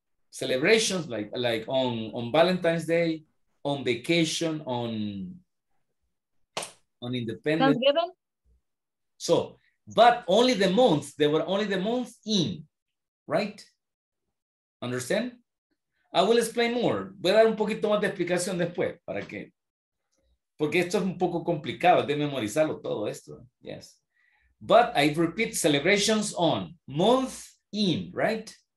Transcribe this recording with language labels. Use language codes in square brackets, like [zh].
[en] Celebrations like on Valentine's Day, on vacation, on Independence. Thanksgiving. So, but only the month, they were only the month in, right? Understand? I will explain more. [es] Voy a dar un poquito más de explicación después, ¿para qué? Porque esto es un poco complicado de memorizarlo todo esto. [en] Yes. But I repeat, celebrations on month in, right?